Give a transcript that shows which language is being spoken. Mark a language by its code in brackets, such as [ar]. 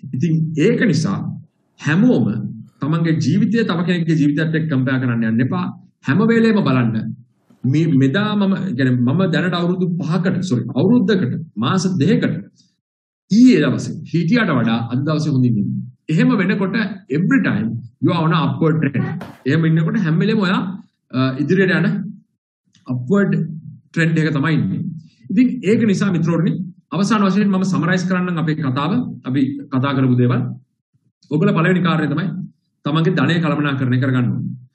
[si] ඉතින් ඒක නිසා හැමෝම තමන්ගේ ජීවිතය තම කෙනෙක්ගේ ජීවිතයත් එක්ක කම්පෙයාර් කරන්න යන්න එපා. හැම වෙලේම බලන්න මේ මෙදා මම يعني මම දැනට අවුරුදු 5කට sorry අවුරුද්දකට මාස 2කට ඊයේ දවසේ හිටියට වඩා අද දවසේ හොඳින් ඉන්නේ. එහෙම වෙනකොට [en] every time you are on a upward trend. [si] එහෙම ඉන්නකොට හැම වෙලේම ඔයා ඉදිරියට යන upward trend එක තමයි ඉන්නේ. ඉතින් ඒක නිසා මිත්‍රෝනි අවසාන වශයෙන් මම summarize කරන්නම් අපේ කතාව. අපි කතා කරපු දේවල් ඔගොල්ලෝ පළවෙනි කාර්යය තමයි තමන්ගේ ධනය කළමනාකරණය කරගන්න ඕනේ.